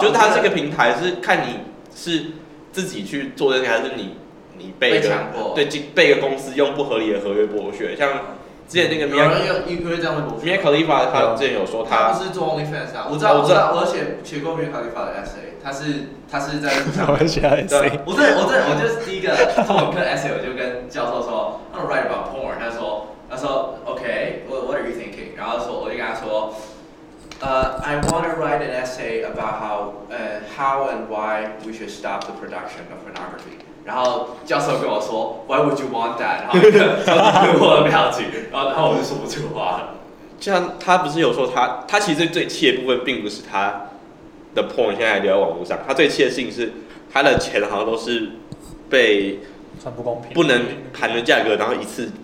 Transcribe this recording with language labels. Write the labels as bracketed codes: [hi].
[zh] 就是他这个平台是看你是自己去做这些，还是你被强迫，对，被一个公司用不合理的合约剥削。像之前那个 Mia，因为这样会剥削。 Mia Khalifa 他之前有说他不是做 OnlyFans 啊，我知道，而且写过 Mia Khalifa 的 essay， 他是在上面写 essay。我就是第一个做文科 essay， 我就跟教授说 ， [en] I don't write about porn， [zh] 他说 OK， [en] what are you thinking？ [zh] 然后说我就跟他说， [en] I want to write an essay about how and why we should stop the production of pornography。 [zh] 然后教授跟我说 [en] ，Why would you want that？ [zh] 然后教授跟我的表情，然后我就说不出话了。像他不是有说他其实最气的部分并不是他的 porn 现在留在网络上，他最气的事情是他的钱好像都是被算不公平，不能谈的价格，然后一次。